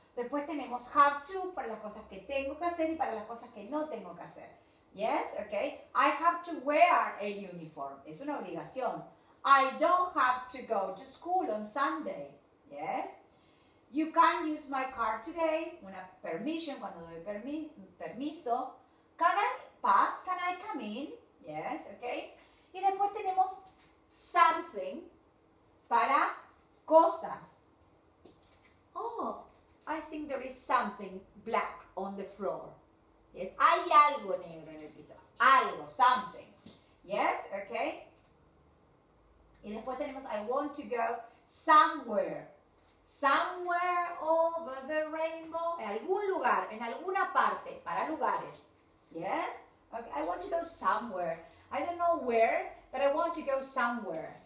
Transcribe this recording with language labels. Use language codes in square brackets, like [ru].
[es] Después tenemos [en] have to [es] para las cosas que tengo que hacer y para las cosas que no tengo que hacer. [en] Yes, okay. I have to wear a uniform. [es] Es una obligación. [en] I don't have to go to school on Sunday. Yes. You can use my car today. Una permission, [es] cuando doy permiso. [en] Can I pass? Can I come in? Yes, okay. [es] Y después tenemos something para cosas. [en] Oh, I think there is something black on the floor. [es] Yes, hay algo negro en el piso. Algo, something. [en] Yes, okay. [es] Y después tenemos, [en] I want to go somewhere. Somewhere over the rainbow. [es] En algún lugar, en alguna parte, para lugares. [en] Yes, okay. I want to go somewhere. I don't know where, but I want to go somewhere.